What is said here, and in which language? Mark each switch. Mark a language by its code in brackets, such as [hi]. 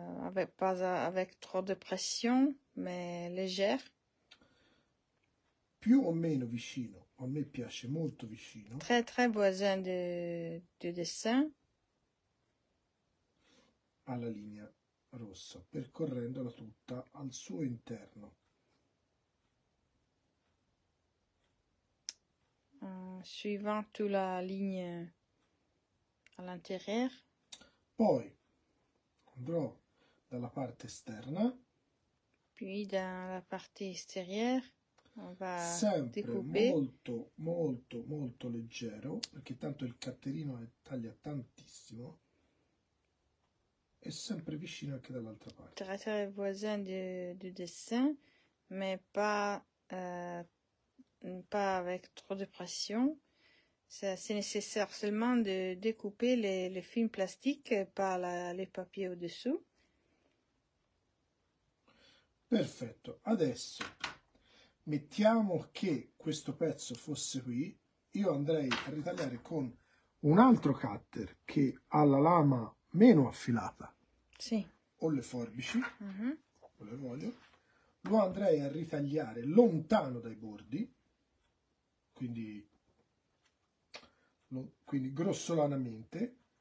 [fr] Avec, pas avec trop de pression, mais légère. [it] Più o meno vicino, a me piace molto vicino. [fr] Très très voisin du dessin. [it] Alla linea rossa, percorrendola tutta al suo interno. [fr] Suivant tout la ligne à l'intérieur. [it] Poi andrò dalla parte esterna, [fr] Puis dans la partie extérieure, on va [it] sempre [fr] découper. [it] molto molto molto leggero, perché tanto il catterino taglia tantissimo, e sempre vicino anche dall'altra parte. [fr] Très très voisin du dessin, mais pas, pas avec trop de pression. C'est nécessaire seulement de découper les films plastiques par les papiers au-dessous. [it] Perfetto, adesso mettiamo che questo pezzo fosse qui, io andrei a ritagliare con un altro cutter che ha la lama meno affilata, Sì. O le forbici, o le voglio, lo andrei a ritagliare lontano dai bordi, quindi grossolanamente.